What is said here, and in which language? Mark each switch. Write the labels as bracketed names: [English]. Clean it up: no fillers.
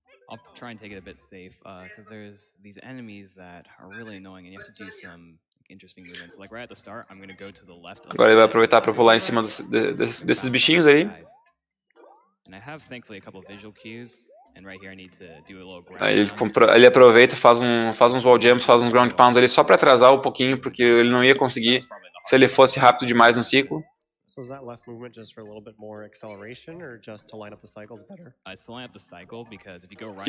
[English] I'll try and take it a bit safe, because there's these enemies that are really annoying, and you have to do some interesting movements. Like right at the start, I'm gonna go to the left. [Portuguese] Agora ele vai aproveitar para pular em cima desses bichinhos aí. [English] And I have thankfully a couple of visual cues, and right here I need to do a little ground. [Portuguese] Ele aproveita, faz uns wall jumps, faz uns ground pounds ali só para atrasar um pouquinho, porque ele não ia conseguir se ele fosse rápido demais no ciclo. [English] So is that left movement just for a little bit more acceleration or just to line up the cycles better? I still line up the cycle because if you go right.